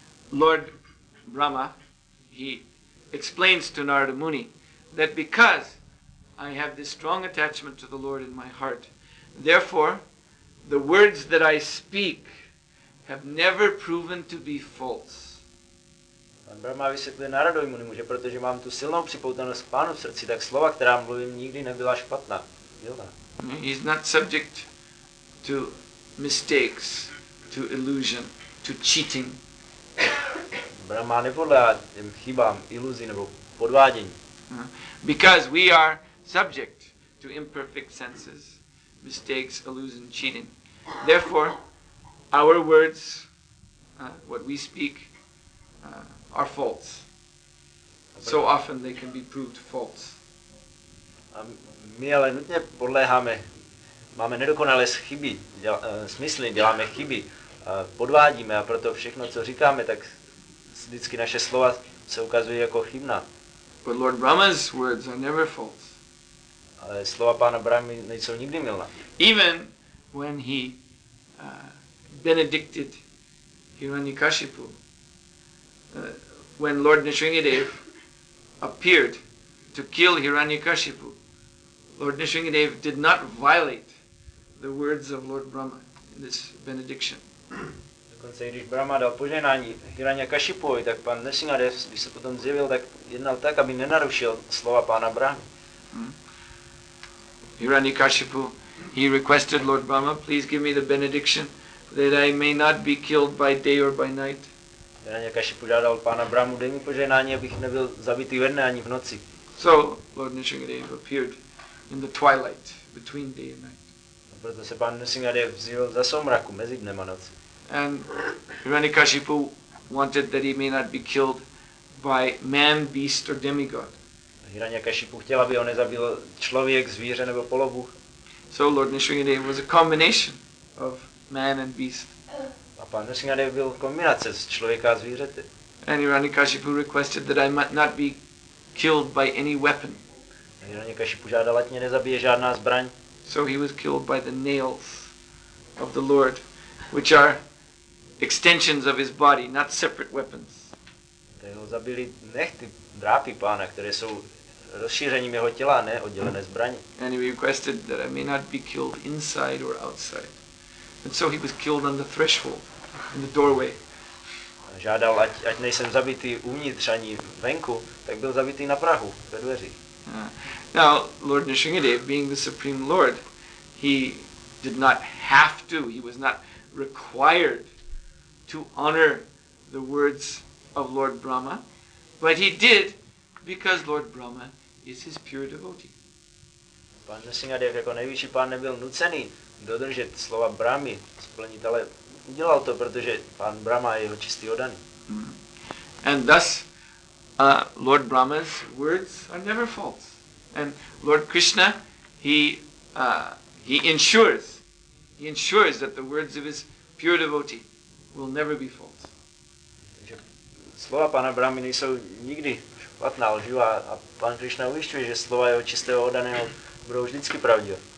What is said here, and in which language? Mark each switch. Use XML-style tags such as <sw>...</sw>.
<en>Lord Brahma, he explains to Narada Muni that because I have this strong attachment to the Lord in my heart, therefore the words that I speak have never proven to be false.</en> <cs>Pan Brahma vysvětluje Naradovi Muni, že protože mám tu silnou připoutanost k pánu v srdci, tak slova, která mluvím, nikdy nebyla špatná.</cs> <en>He's not subject to mistakes, to illusion, to cheating.</en> <cs>Brahma nepodléhá těm chybám, iluzi nebo podvádění.</cs> <en>Because we are subject to imperfect senses, mistakes, illusion, cheating. Therefore, our words, what we speak, are false. So often they can be proved false.</en> <cs>A my ale nutně podléháme, máme nedokonalé chyby, smysly, děláme chyby, podvádíme a proto všechno, co říkáme, tak vždycky naše slova se ukazují jako chybná.</cs> <en>But Lord Brahma's words are never false.</en> <cs>Ale slova pána Brahmy nejsou nikdy mylná.</cs> <en>Even when he benedicted Hiranyakashipu, when Lord Nrisingadev appeared to kill Hiranyakashipu, Lord Nrisingadev did not violate the words of Lord Brahma in this benediction.</en> <cs>Dokonce když Brahma dal požehnání Hiranyakashipovi, tak pan Nrisingadev, když se potom zjevil, tak jednal tak, aby nenarušil slova pána Brahmy.</cs> <en>Hiranyakashipu, he requested Lord Brahma, please give me the benediction that I may not be killed by day or by night.</en> <cs>Hiranyakashipu žádal pána Brahmu denní požehnání, abych nebyl zabitý ve dne ani v noci.</cs> <en>So Lord Nrisingadev appeared in the twilight between day and night.</en> <cs>A proto se pan Nrisingadev zjevil za soumraku mezi dnem a nocí.</cs> <en>And Hiranyakashipu wanted that he may not be killed by man, beast or demigod.</en> <cs>Hiranyakashipu chtěl, aby ho nezabil člověk, zvíře nebo polobůh.</cs> <en>So Lord Nrisingadev was a combination of man and beast.</en> <cs>A pan Nrisingadev byl kombinace z člověka a zvířete.</cs> <en>And Hiranyakashipu requested that I might not be killed by any weapon.</en> <cs>Hiranyakashipu žádal, ať mě nezabije žádná zbraň.</cs> <en>So he was killed by the nails of the Lord, which are extensions of his body, not separate weapons.</en> <cs>Tak ho zabili nechty, drápy pána, které jsou rozšířením jeho těla, ne oddělené zbraně.</cs> <en>And he requested that I may not be killed inside or outside. And so he was killed on the threshold, in the doorway.</en> <cs>A žádal, ať nejsem zabitý uvnitř ani venku, tak byl zabitý na prahu, ve dveřích.</cs> <en>Now, Lord Nrisingadev, being the Supreme Lord, he did not have to, he was not required to honor the words of Lord Brahma, but he did because Lord Brahma is his pure devotee.</en> <cs>Pan Nrisingadev jako nejvyšší pán nebyl nucený dodržet slova Brahmy, splnit, ale udělal to, protože pán Brahma je jeho čistý oddaný.</cs> <en>And thus, Lord Brahma's words are never false. And Lord Krishna, he ensures that the words of his pure devotee will never be false.</en> <cs>Takže slova pana Brahmy nejsou nikdy špatná, lživá, a pan Krishna ujišťuje, že slova jeho čistého oddaného budou vždycky pravdivé.</cs>